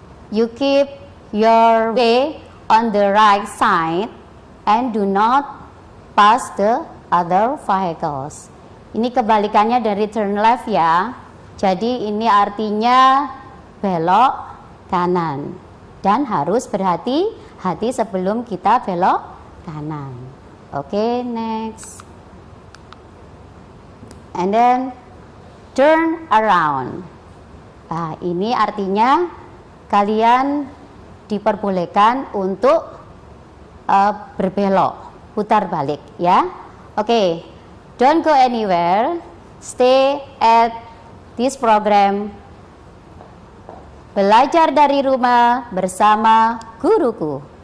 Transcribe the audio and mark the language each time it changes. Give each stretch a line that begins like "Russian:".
English: You keep your way on the right side and do not pass the other vehicles.
Indonesian: Ini kebalikannya dari turn left ya. Jadi ini artinya belok kanan dan harus berhati-hati sebelum kita belok kanan.
English: Oke, next. And then turn around.
Indonesian: Nah, ini artinya kalian diperbolehkan untuk berbelok, putar balik ya.
English: Oke, don't go anywhere, stay at this program.
Indonesian: Belajar dari rumah bersama guruku.